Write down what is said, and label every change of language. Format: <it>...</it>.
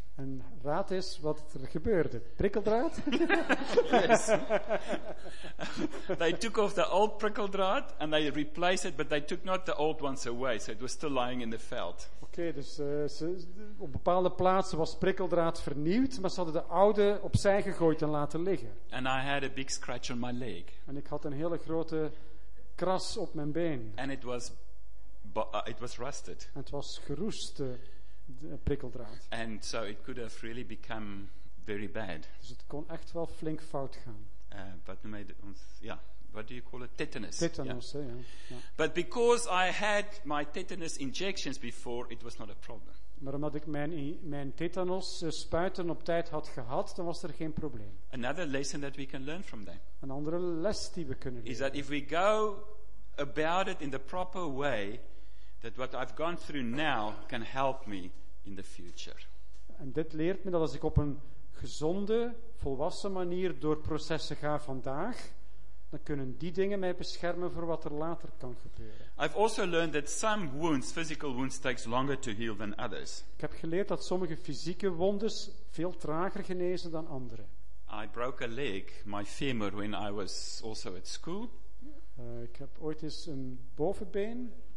<nl>En raad eens wat er gebeurde. Prikkeldraad?</nl> <en>Yes. They took off the old prikkeldraad and they replaced it, but they took not the old ones away, so it was still lying in the veld.</en> <nl>Oké, dus op bepaalde plaatsen was prikkeldraad vernieuwd, maar ze hadden de oude opzij gegooid en laten liggen.</nl> <en>And I had a big scratch on my leg.</en> <nl>En ik had een hele grote kras op mijn been.</nl> <en>And it was rusted.</en> <nl>En het was geroest. Prikkeldraad.</nl> <en>And so it could have really become very bad.</en> <nl>Dus het kon echt wel flink fout gaan.</nl> <en>What do you call it? Tetanus. Tetanus, yeah. But because I had my tetanus injections before, it was not a problem.</en> <nl>Maar omdat ik mijn tetanus spuiten op tijd had gehad, dan was er geen probleem.</nl> <en>Another lesson that we can learn from them.</en> <nl>Een andere les die we kunnen leren.</nl> <en>Is that if we go about it in the proper way, that what I've gone through now can help me in the future.</en> <nl>En dit leert me dat als ik op een gezonde, volwassen manier door processen ga vandaag, dan kunnen die dingen mij beschermen voor wat er later kan gebeuren.</nl> <en>I've also learned that some wounds, physical wounds, takes longer to heal than others.</en> <nl>Ik heb geleerd dat sommige fysieke wondes veel trager genezen dan andere.</nl> <en>I broke a leg, my femur, when I was also at school.</en> <nl>Ik heb ooit eens een bovenbeen.</nl>